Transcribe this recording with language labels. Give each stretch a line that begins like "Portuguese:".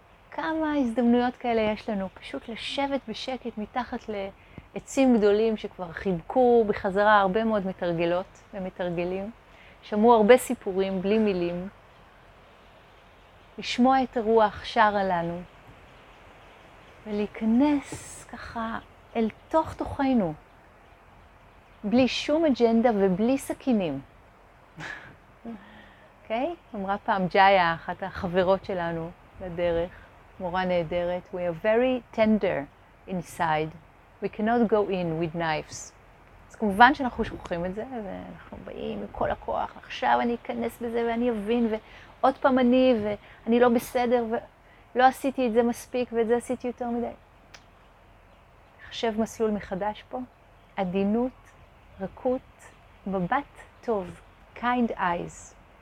Hebrew: כמה הזדמנויות כאלה יש לנו, פשוט לשבת בשקט מתחת לעצים גדולים שכבר חיבקו בחזרה הרבה מאוד מתרגלות ומתרגלים, שמעו הרבה סיפורים בלי מילים, לשמוע את הרוח שרה לנו, ולהיכנס ככה אל תוך תוכנו, בלי שום אג'נדה ובלי סכינים. אוקיי? אמרה פעם ג'איה, אחת החברות שלנו לדרך, מורה נהדרת,
English: we are very tender inside, we cannot go in with knives.
Hebrew: אז כמובן שאנחנו שוכחים את זה, ואנחנו באים עם כל הכוח, עכשיו אני אכנס בזה ואני אבין, ועוד פעם אני, ואני לא בסדר, ולא עשיתי את זה מספיק, ואת זה עשיתי יותר מדי. חשב מסלול מחדש פה, עדינות, רכות, מבט טוב,
English: kind eyes.